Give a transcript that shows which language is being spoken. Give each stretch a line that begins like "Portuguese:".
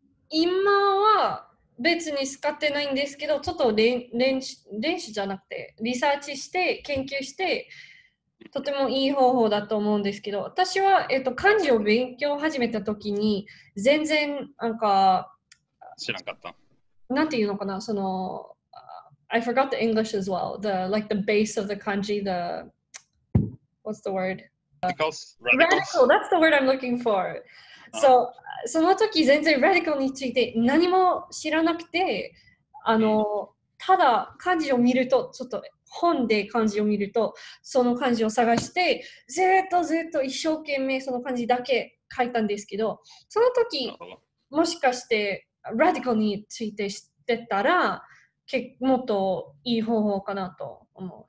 Japanese: 今は別に使ってないんですけど、ちょっと練習じゃなくて、リサーチして、研究して、とてもいい方法だと思うんですけど、私は、漢字を勉強始めたときに、全然、なんか、知らんかった。なんていうのかな、その、
English: I forgot the English as well. The, like, the base of the kanji, the, what's the word? Radical, that's the word I'm looking for. So,
Japanese: その時全然 radical について何も知らなくて、ただ、漢字を見ると、ちょっと、本で漢字を見ると、その漢字を探して、ずっとずっと一生懸命その漢字だけ書いたんですけど、その時、もしかして、radical について知ってたら、もっといい方法かなと思う。